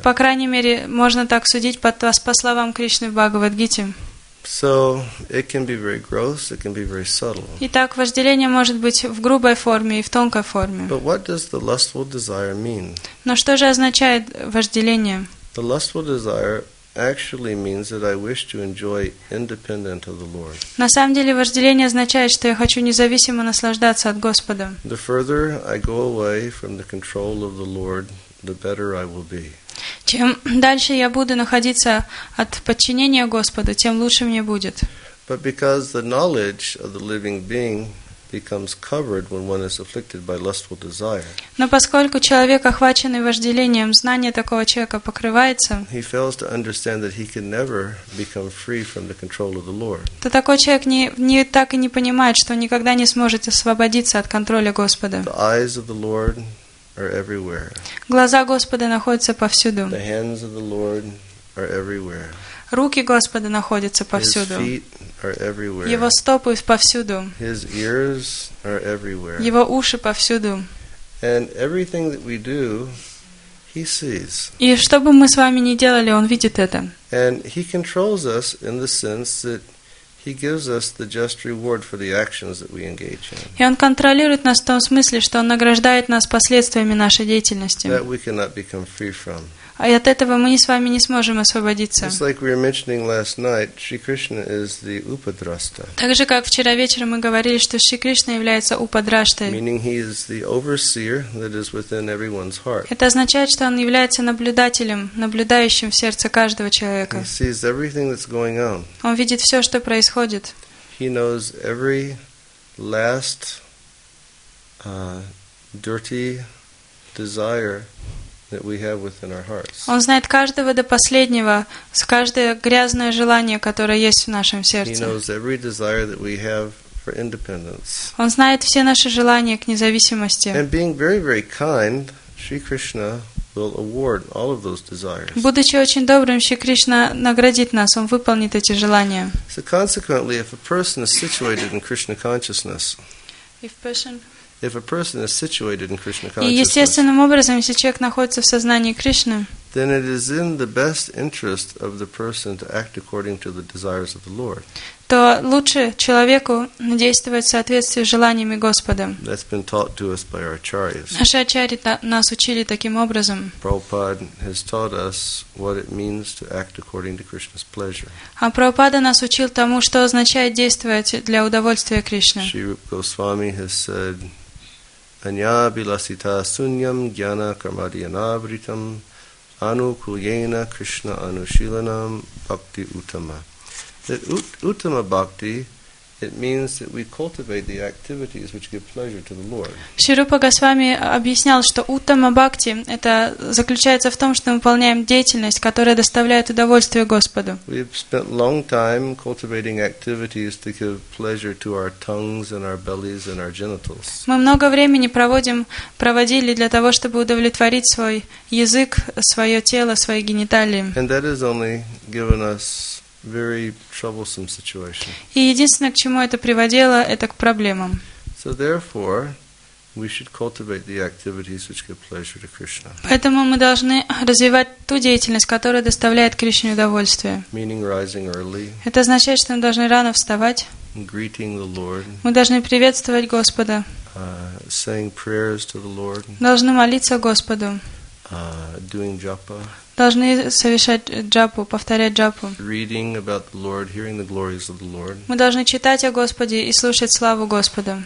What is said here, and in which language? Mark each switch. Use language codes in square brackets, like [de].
[ru] По крайней мере, можно так судить по словам Кришны в Бхагавад Гите. [en] So it can be very gross, it can be very subtle. [ru] Итак, вожделение может быть в грубой форме и в тонкой форме. [en] But what does the lustful desire mean? [ru] Но что же означает вожделение? [en] The lustful desire actually means that I wish to enjoy independent of the Lord. [ru] На самом деле, вожделение означает, что я хочу независимо наслаждаться от Господа. [en] The further I go away from the control of the Lord, the better I will be. [ru] Чем дальше я буду находиться от подчинения Господу, тем лучше мне будет. [en] But because the knowledge of the living being becomes covered when one is afflicted by lustful desire. [ru] Но поскольку человек охваченный вожделением, знание такого человека покрывается. [en] He fails to understand that he can never become free from the control of the Lord. [ru] То такой человек не так и не понимает, что никогда не сможет освободиться от контроля Господа. [en] The eyes of the Lord are everywhere. [ru] Глаза Господа находятся повсюду. [en] The hands of the Lord are everywhere. [ru] Руки Господа находятся повсюду. Его стопы повсюду. [en] His ears are everywhere. [ru] Его уши повсюду. [en] And everything that we do, he sees. [ru] И что бы мы с вами ни делали, он видит это. [en] And he controls us in the sense that he gives us the just reward for the actions that we engage in. [ru] И он контролирует нас в том смысле, что он награждает нас последствиями нашей деятельности. [en] That we cannot become free from. [ru] А от этого мы с вами не сможем освободиться. [en] It's like we were mentioning last night, Shri Krishna is the Upadrashta. [ru] Так же, как вчера вечером мы говорили, что Шри Кришна является Упадраштой. [en] Meaning he is the overseer that is within everyone's heart. [ru] Это означает, что он является наблюдателем, наблюдающим в сердце каждого человека. [en] He sees everything that's going on. [ru] Он видит все, что происходит. [en] He knows every last dirty desire that we have within our hearts. [ru] Он знает каждого до последнего, каждое грязное желание, которое есть в нашем сердце. [en] He knows every desire that we have for independence. [ru] Он знает все наши желания к независимости. [en] And being very, very kind, Shri Krishna will award all of those desires. [ru] Будучи очень добрым, Шри Кришна наградит нас, он выполнит эти желания. [en] So consequently, if a person is situated in Krishna consciousness, If a person is situated in Krishna consciousness, [ru] и естественным образом, если человек находится в сознании Кришны, [en] then it is in the best interest of the person to act according to the desires of the Lord. [ru] То лучше человеку действовать в соответствии с желаниями Господа. [en] That's been taught to us by our acharyas. [ru] Наши ачарьи нас учили таким образом. [en] Prabhupada has taught us what it means to act according to Krishna's pleasure. [ru] А Прабхупада нас учил тому, что означает действовать для удовольствия Кришны. [en] Sri Rupa Goswami has said, [sa] Anya bilasita sunyam jnana karmadhyanavritam anukulyena krishna anushilanam bhakti uttama. [en] That uttama bhakti, it means that we cultivate the activities which give pleasure to the Lord. [ru] Шри Рупа Госвами объяснял, что уттама бхакти это заключается в том, что мы выполняем деятельность, которая доставляет удовольствие Господу. [en] We have spent long time cultivating activities to give pleasure to our tongues and our bellies and our genitals. [ru] Мы много времени проводили для того, чтобы удовлетворить свой язык, свое тело, свои гениталии. [en] And that has only given us very troublesome situation. [ru] И единственное, к чему это приводило, это к проблемам. [en] So therefore, we should cultivate the activities which give pleasure to Krishna. [ru] Поэтому мы должны развивать ту деятельность, которая доставляет Кришне удовольствие. [en] Meaning rising early. [ru] Это означает, что мы должны рано вставать. [en] Greeting the Lord. [ru] Мы должны приветствовать Господа. [en] Saying prayers to the Lord. [ru] Должны молиться Господу. [en] Doing japa. [ru] Должны совершать джапу, повторять джапу. [en] Reading about the Lord, hearing the glories of the Lord. [ru] Мы должны читать о Господе и слушать славу Господа.